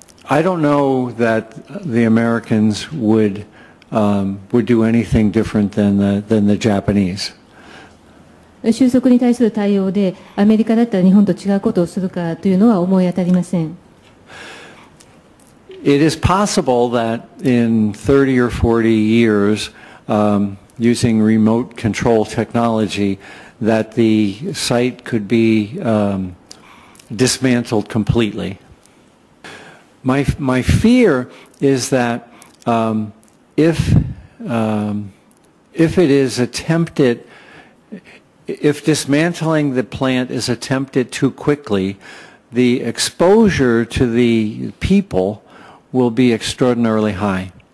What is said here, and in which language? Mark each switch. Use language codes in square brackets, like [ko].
[en] I don't know that the Americans would do anything different than the Japanese. [ja] 収束に対する対応でアメリカだったら日本と違うことをするかというのは思い当たりません。 [en] It is possible that in 30 or 40 years, using remote control technology, that the site could be dismantled completely. My fear is that if it is attempted, if dismantling the plant is attempted too quickly, the exposure to the people will be extraordinarily high.